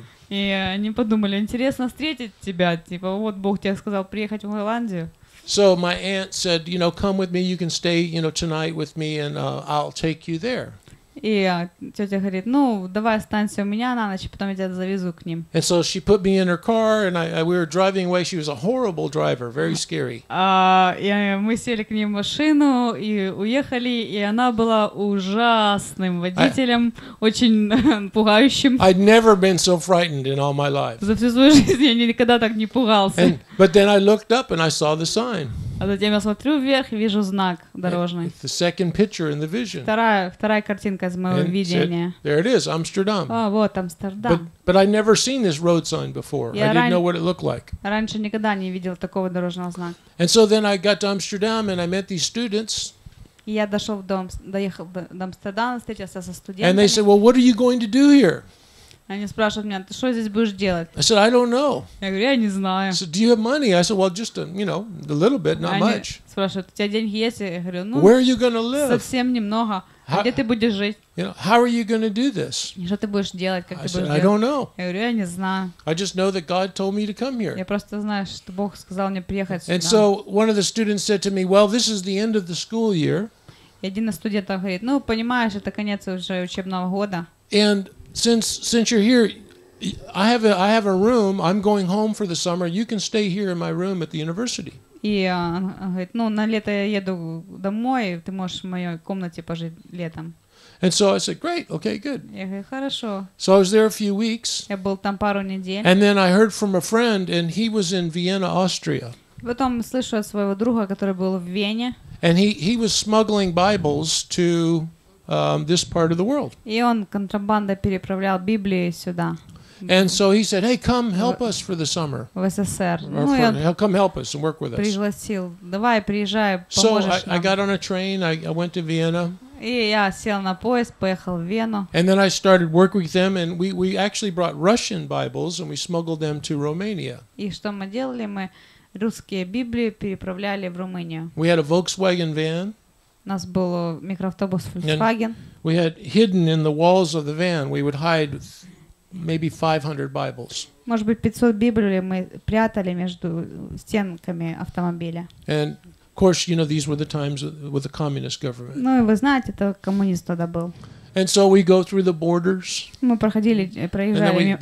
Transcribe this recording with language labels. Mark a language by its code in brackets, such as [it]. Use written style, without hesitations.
[ru] И они подумали, интересно встретить тебя, типа, вот Бог тебе сказал приехать в Голландию. [en] So my aunt said, you know, come with me, you can stay, you know, tonight with me and I'll take you there. [ru] И тётя говорит: "Ну, давай останься у меня на ночь, потом я тебя завезу к ним". [en] And so she put me in her car and we were driving away. She was a horrible driver, very scary. [ru] Мы сели к ней в машину и уехали, и она была ужасным водителем, очень пугающим. [en] I'd never been so frightened in all my life. [ru] За всю свою жизнь я никогда так не пугался. [en] But then I looked up and I saw the sign. [ru] А затем я смотрю вверх и вижу знак дорожный. [en] The second picture in the vision. [ru] Вторая картинка из моего видения. [en] There it is, Amsterdam. [ru] О, вот Амстердам. [en] But I'd never seen this road sign before. I didn't know what it looked like. [ru] Раньше никогда не видел такого дорожного знака. [en] And so then I got to Amsterdam and I met these students. [ru] И я доехал до Амстердама, встретился со студентами. [en] And they said, "Well, what are you going to do here?" [ru] Они спрашивают меня, ты что здесь будешь делать? [en] I said, I don't know. [ru] Я говорю, я не знаю. [en] So, do you have money? I said, well, just a little bit, not much. [ru] Они спрашивают, у тебя деньги есть? Я говорю, ну, [en] where are you gonna live? [ru] Совсем немного. А где ты будешь жить? [en] You know, how are you gonna do this? [ru] Что ты будешь делать? Как [en] I [ru] ты [en] said, [ru] будешь [en] I [ru] делать? [en] Don't know. [ru] Я говорю, я не знаю. [en] I just know that God told me to come here. [ru] Я просто знаю, что Бог сказал мне приехать сюда. [en] And so one of the students said to me, well, this is the end of the school year. [ru] И один из студентов говорит, ну, понимаешь, это конец уже учебного года. [en] And Since you're here, I have a room. I'm going home for the summer. You can stay here in my room at the university. [ru] И говорит, ну на лето я еду домой, ты можешь в моей комнате пожить летом. [en] And so I said, great, okay, good. [ru] Я говорю, хорошо. [en] So I was there a few weeks. [ru] Я был там пару недель. [en] And then I heard from a friend, and he was in Vienna, Austria. [ru] Потом слышу от своего друга, который был в Вене. [en] And he was smuggling Bibles to this part of the world. [ru] И он контрабандой переправлял Библии сюда. [en] And so he said, "Hey, come help us for the summer." [ru] В СССР. [en] He'll come help us and work with us. [ru] Пригласил. Давай, приезжай, поможешь [en] so [ru] нам. [en] So I got on a train. I went to Vienna. [ru] И я сел на поезд, поехал в Вену. [en] And then I started working with them, and we actually brought Russian Bibles and we smuggled them to Romania. [ru] И что мы делали? Мы русские Библии переправляли в Румынию. [en] We had a Volkswagen van. [ru] У нас был микроавтобус Volkswagen. [en] We had hidden in the walls of the van, we would hide maybe 500 Bibles. [ru] Может быть, 500 Библий мы прятали между стенками автомобиля. [en] And of course, you know, these were the times with the communist government. [ru] Ну, вы знаете, это коммунист тогда был. [en] And so we go through the borders. [ru] Мы проходили, проезжали через границы.